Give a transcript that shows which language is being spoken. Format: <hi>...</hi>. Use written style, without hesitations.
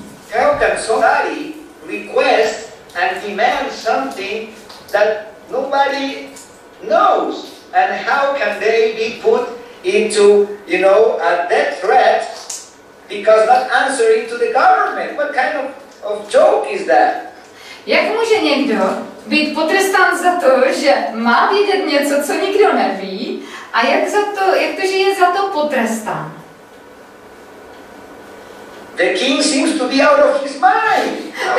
<en>How can somebody request and demand something that nobody knows, and how can they be put into, you know, a death threat because not answering to the government? What kind of joke is that?</en> <cs>Jak může někdo být potrestán za to, že má vědět něco, co nikdo neví, a jak to, že je za to potrestán?</cs> <en>The king seems to be out of his mind.</en>